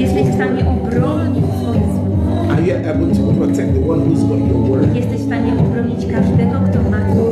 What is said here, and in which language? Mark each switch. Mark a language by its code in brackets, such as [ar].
[pl] Jesteś w stanie obronić swoje słowo. [en] Are you able to protect the one who's got your word? [pl] Jesteś w stanie obronić każdego, kto ma to słowo.